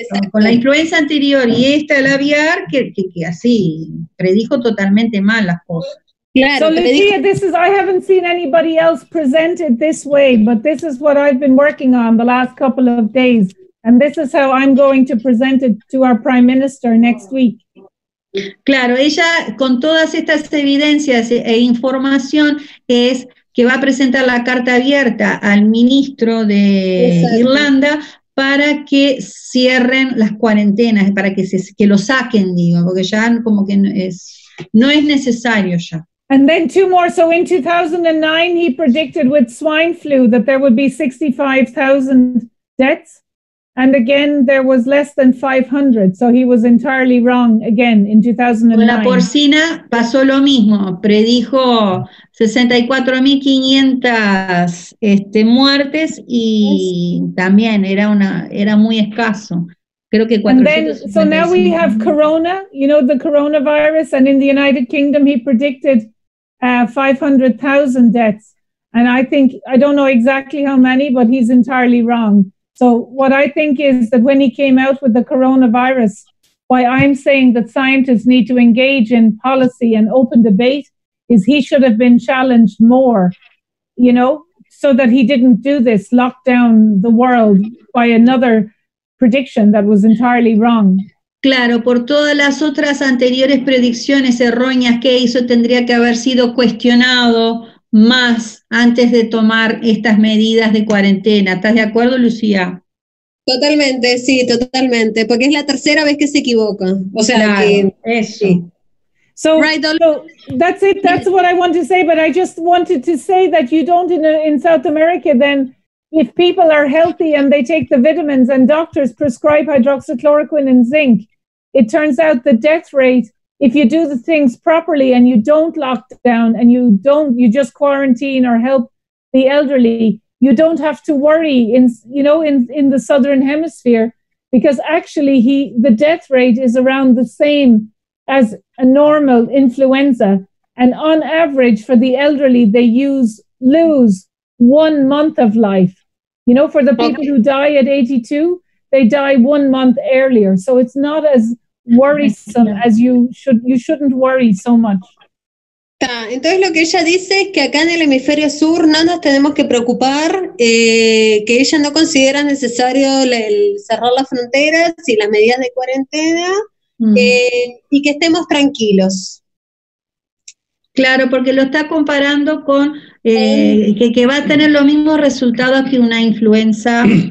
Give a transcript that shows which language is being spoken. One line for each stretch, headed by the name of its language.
Spanish: Con la influenza anterior y esta, el aviar, que así predijo totalmente mal las cosas. Claro,
English: so Lucia, this is, I haven't seen anybody else present it this way, but this is what I've been working on the last couple of days. And this is how I'm going to present it to our Prime Minister next week.
Spanish: Claro, ella con todas estas evidencias e información es que va a presentar la carta abierta al ministro de Irlanda para que cierren las cuarentenas, para que lo saquen, digo, porque ya como que no es necesario ya.
English: And then two more, so in 2009 he predicted with swine flu that there would be 65,000 deaths. And again, there was less than 500, so he was entirely wrong again in 2009.
Spanish: La porcina pasó lo mismo, predijo 64,500 muertes y también era muy escaso. Creo que 400.
English: So now we have corona, you know, the coronavirus, and in the United Kingdom he predicted 500,000 deaths. And I think, I don't know exactly how many, but he's entirely wrong. So what I think is that when he came out with the coronavirus, why I'm saying that scientists need to engage in policy and open debate is he should have been challenged more, you know, so that he didn't do this lockdown the world by another prediction that was entirely wrong.
Spanish: Claro, por todas las otras anteriores predicciones erróneas que hizo, tendría que haber sido cuestionado más antes de tomar estas medidas de cuarentena. ¿Estás de acuerdo, Lucía? Totalmente, sí, totalmente, porque es la tercera vez que se equivoca. O sea, claro, que eso. Sí.
English: So, right, so that's it, that's what I want to say, but I just wanted to say that you don't in South America, then if people are healthy and they take the vitamins and doctors prescribe hydroxychloroquine and zinc, it turns out the death rate, if you do the things properly and you don't lock down and you don't, you just quarantine or help the elderly, you don't have to worry in, you know, in the Southern Hemisphere, because actually the death rate is around the same as a normal influenza. And on average for the elderly, they lose 1 month of life. You know, for the people who die at 82, they die 1 month earlier. So it's not as worrisome as you shouldn't worry so much.
Spanish: Entonces lo que ella dice es que acá en el hemisferio sur no nos tenemos que preocupar, que ella no considera necesario el cerrar las fronteras y las medidas de cuarentena. Y que estemos tranquilos. Claro, porque lo está comparando con que va a tener los mismos resultados que una influenza